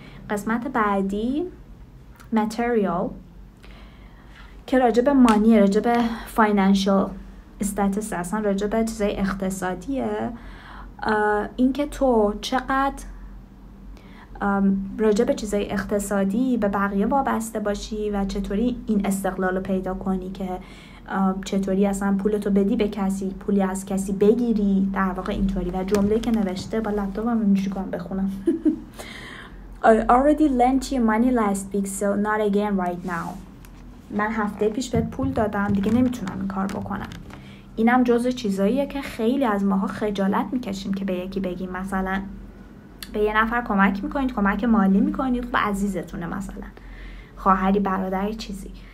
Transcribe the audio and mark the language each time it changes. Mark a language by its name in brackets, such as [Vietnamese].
[Persian] قسمت بعدی material، که راجب مانی، راجب فاینانشال استاتس، اصلا راجب چیزای اقتصادیه، این که تو چقدر راجب چیزای اقتصادی به بقیه وابسته باشی و چطوری این استقلال رو پیدا کنی، که چطوری اصلا پولتو بدی به کسی، پولی از کسی بگیری، در واقع اینطوری. و جمله که نوشته با لپتاپم اینجوری کنم بخونم [English] I already lent you money last week, so not again right now. [Persian] من هفته پیش بهت پول دادم، دیگه نمیتونم این کار بکنم. اینم جزء چیزاییه که خیلی از ماها خجالت میکشیم که به یکی بگیم. مثلا به یه نفر کمک میکنید، کمک مالی میکنید، خب عزیزتونه مثلا، خواهری، برادری، چیزی.